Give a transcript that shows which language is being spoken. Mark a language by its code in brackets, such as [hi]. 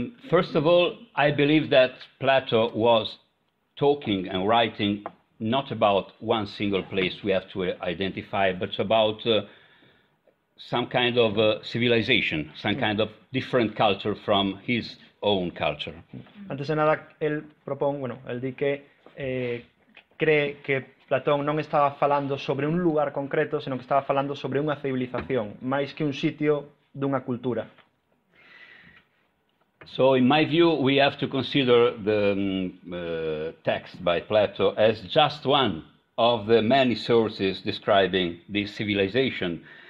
[en] First of all, I believe that Plato was talking and writing not about one single place we have to identify, but about some kind of civilization, some kind of different culture from his own culture. [gl] Antes de nada, él propón, bueno, él di que cree que Platón non estaba falando sobre un lugar concreto, sino que estaba falando sobre unha civilización, máis que un sitio dunha cultura. [en] So in my view, we have to consider the text by Plato as just one of the many sources describing this civilization.